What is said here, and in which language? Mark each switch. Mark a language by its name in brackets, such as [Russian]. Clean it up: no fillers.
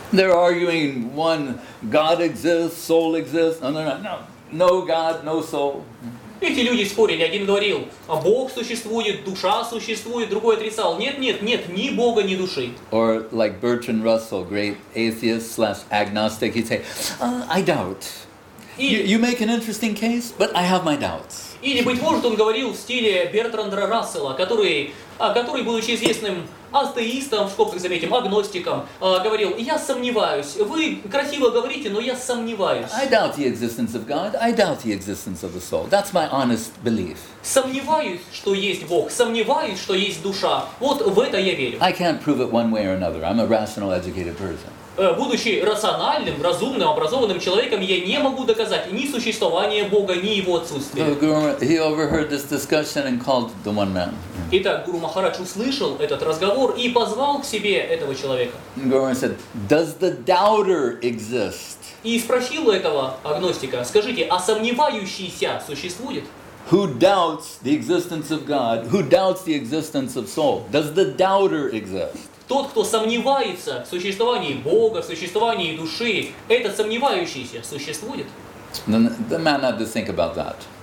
[English] They're arguing, one, God exists, soul exists. No God, no soul. [Russian] Эти люди спорили, один говорил, а Бог существует, душа существует, другой отрицал, нет, ни Бога, ни души. [English] Or like Bertrand Russell, great atheist/agnostic, he'd say, I doubt. You make an interesting case, but I have my doubts. [Russian] Или, быть может, он говорил в стиле Бертранда Рассела, который, будучи известным атеистом, в скобках заметим, агностиком, говорил, я сомневаюсь. Вы красиво говорите, но я сомневаюсь. [English] I doubt the existence of God. I doubt the existence of the soul. That's my honest belief. [Russian] Сомневаюсь, что есть Бог. Сомневаюсь, что есть душа. Вот в это я верю. [English] I can't prove it one way or another. I'm a rational, educated person. [Russian] Будучи рациональным, разумным, образованным человеком, я не могу доказать ни существование Бога, ни его отсутствие. Итак, Гуру Махарадж услышал этот разговор и позвал к себе этого человека. [English] Said, Does the doubter exist? [Russian] И спросил этого агностика, скажите, а сомневающийся существует? [English] Who doubts the existence of God? Who doubts the existence of soul? Does the doubter exist? [Russian] Тот, кто сомневается в существовании Бога, в существовании души, этот сомневающийся существует? [English] The man had to think about that.